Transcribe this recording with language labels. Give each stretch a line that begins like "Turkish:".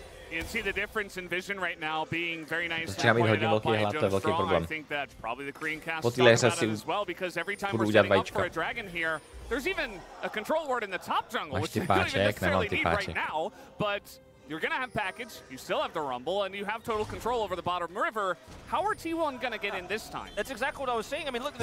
English: You can see the difference in vision right now being very nice.
Czech: Začíná být hodně velký hlad, to je velký problém. Po té léře si budu udělat vajíčka.
English: There's even a control word in the top jungle, which you don't even necessarily need right now, but you're gonna have package, you still have the rumble, and you have total control over the bottom river. How are T1 gonna get in this time? That's exactly what I was saying. I mean, look,